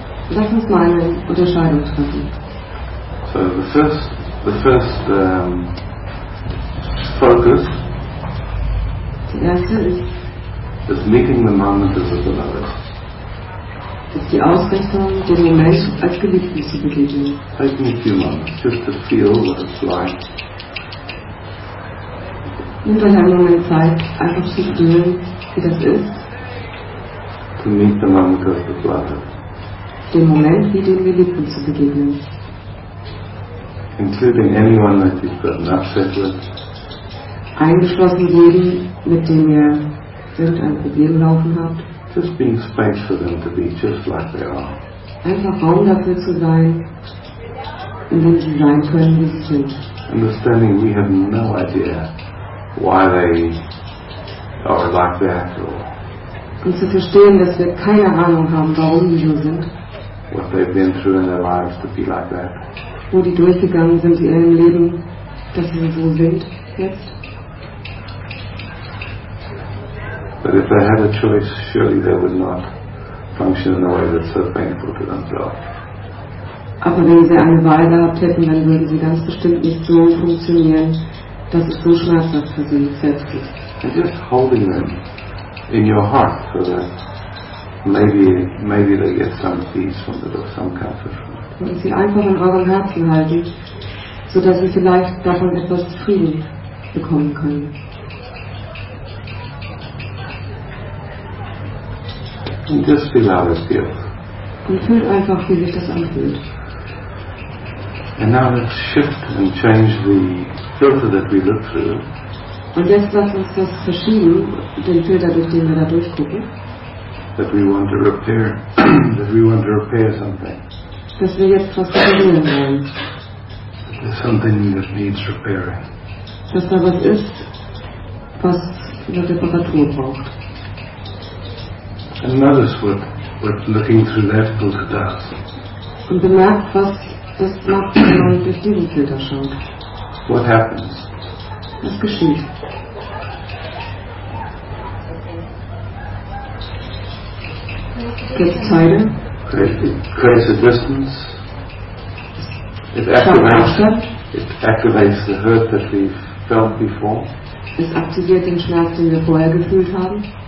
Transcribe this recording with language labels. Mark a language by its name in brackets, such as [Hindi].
[German] Lass uns mal eine Unterscheidung treffen. [English] So the first focus. [German] Die erste [English] is meeting the moment as a beloved. [German] Ist die Ausrichtung, den Moment als Geliebten zu begegnen. [English] Take me a few moments, just to feel what it's like. [German] Nimm dir einen Moment Zeit, einfach zu fühlen, wie das ist. [English] To meet the moment as a beloved. [German] Den Moment, wie den Geliebten zu begegnen. [English] Including anyone that you've gotten upset with. [German] Eingeschlossen jeden, mit dem ihr irgendein Problem laufen habt. [English] Just being space for them to be just like they are. [German] Einfach Raum dafür zu sein, in dem sie sein können, wie sie sind. [English] Understanding we have no idea why they are like that or. [German] Und zu verstehen, dass wir keine Ahnung haben, warum sie so sind. [English] What they've been through in their lives to be like that. [German] Wo die durchgegangen sind in ihrem Leben, dass sie so sind jetzt. [English] But if they had a choice, surely they would not function in a way that's so painful to themselves. [German] Aber wenn sie eine Wahl gehabt hätten, dann würden sie ganz bestimmt nicht so funktionieren, dass es so schmerzhaft für sie selbst ist. [English] And just holding them in your heart, so that maybe they get some peace from it or some comfort from it. [German] Und sie einfach in eurem Herzen halten, so dass sie vielleicht davon etwas Frieden bekommen können. [English] And just feel how it feels. [German] Und fühlt einfach, wie sich das anfühlt. [English] And now let's shift and change the filter that we look through. [German] Und jetzt lasst uns das verschieben, den Filter, durch den wir da durchgucken. [English] That we want to repair, that we want to repair something. [German] Dass wir jetzt was reparieren wollen. [English] There's something that needs repairing. [German] Dass da was ist, was eine Reparatur braucht. [English] And notice what looking through that filter does. [German] Und bemerkt, was das macht, wenn man durch diesen Filter schaut. [English] What happens? [German] Was geschieht? Gibt es Zeile? [English] It creates a distance. It activates the hurt that we felt before. [German] Es aktiviert den Schmerz, den wir vorher gefühlt haben.